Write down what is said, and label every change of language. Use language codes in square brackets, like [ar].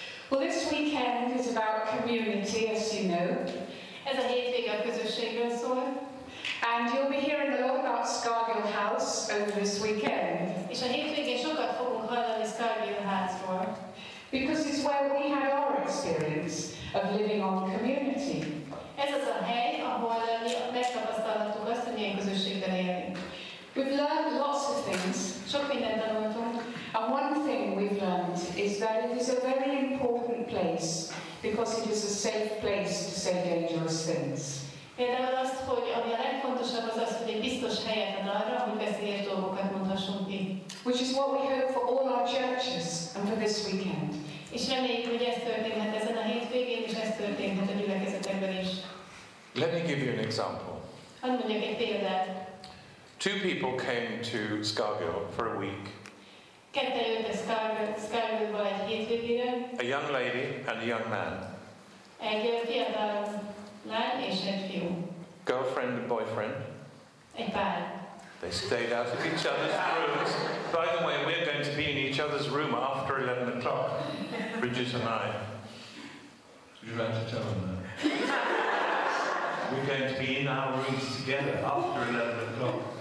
[en] Well, this weekend is about community, as you know. [hu] Ez a hétvége a közösségről szól. [en] And you'll be hearing a lot about Scargill House over this weekend. [hu] És a hétvégén sokat fogunk hallani Scargill House-ról. [en] Because it's where we had our experience of living on community. [hu] Ez az a hely, ahol megtapasztalhattuk azt, hogy milyen közösségben élünk. [en] We've learned lots of things. [hu] Sok mindent tanultunk. [en] And one thing we've learned is that it is a very important place because it is a safe place to say dangerous things. [hu] Például azt, hogy ami a legfontosabb, az az, hogy egy biztos helyet ad arra, hogy veszélyes dolgokat mondhassunk ki. [en] Which is what we hope for all our churches and for this weekend. [hu] És reméljük, hogy ez történhet ezen a hétvégén, és ez történhet a gyülekezetekben is. [en] Let me give you an example. [hu] Hadd mondjak egy példát. [en] Two people came to Scarborough for a week. [hu] Ketten jöttek Scarborough-ba egy hétvégére. [en] A young lady and a young man. [hu] Egy fiatal lány és egy fiú. [en] Girlfriend and boyfriend. [hu] Egy pár. [en] They stayed out of each other's rooms. By the way, we're going to be in each other's room after 11 o'clock, Bridget and I. You have to tell them that. We're going to be in our rooms together after 11 o'clock.